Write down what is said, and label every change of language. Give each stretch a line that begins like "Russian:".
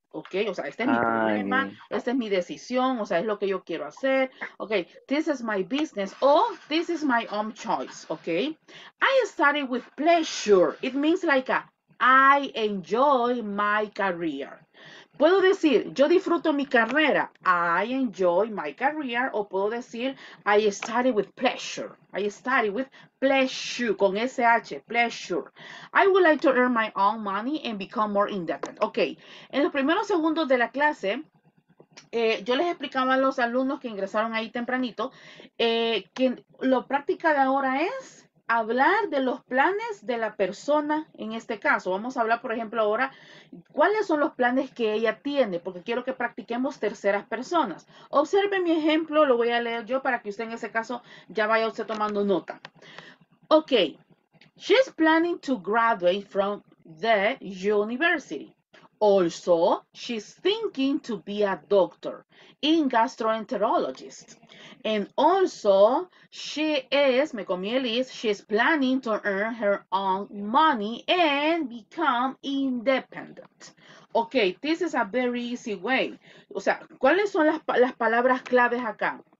Spanish: Ok, o sea, este es mi problema, esta es mi decisión, o sea, es lo que yo quiero hacer.
English: Ok, this is my business, or this is my own choice, ok. I study with pleasure. It means like I enjoy my career.
Spanish: Puedo decir, yo disfruto mi carrera.
English: I enjoy my career.
Spanish: O puedo decir,
English: I study with pleasure. I study with pleasure.
Spanish: Con SH, pleasure.
English: I would like to earn my own money and become more independent. Ok.
Spanish: En los primeros segundos de la clase, yo les explicaba a los alumnos que ingresaron ahí tempranito, que la práctica de ahora es hablar de los planes de la persona en este caso. Vamos a hablar, por ejemplo, ahora, ¿cuáles son los planes que ella tiene? Porque quiero que practiquemos terceras personas. Observe mi ejemplo, lo voy a leer yo para que usted en ese caso ya vaya usted tomando nota.
English: Ok. She's planning to graduate from the university. Also, she's thinking to be a doctor in gastroenterologist. And also, she's planning to earn her own money and become independent. Okay, this is a very easy way.
Spanish: O sea, ¿cuáles son las palabras claves acá?